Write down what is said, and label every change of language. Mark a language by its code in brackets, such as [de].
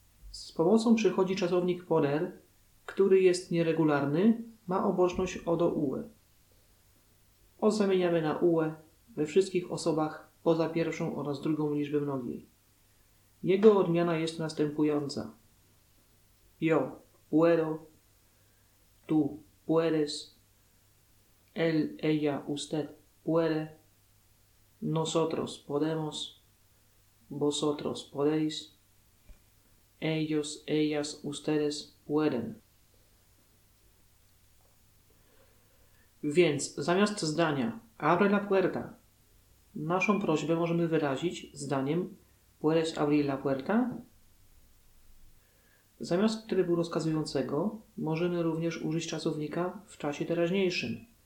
[pl] Z pomocą przychodzi czasownik poner, który jest nieregularny, ma oboczność o do ue. O zamieniamy na ue we wszystkich osobach poza pierwszą oraz drugą liczbę mnogiej. Jego odmiana jest następująca. [es] Yo, puedo, tú puedes, él, ella, usted puede, nosotros podemos, vosotros podéis, ellos, ellas, ustedes pueden. [pl] Więc zamiast zdania [es] abre la puerta, [pl] naszą prośbę możemy wyrazić zdaniem [es] puedes abrir la puerta? [pl] Zamiast trybu rozkazującego możemy również użyć czasownika w czasie teraźniejszym.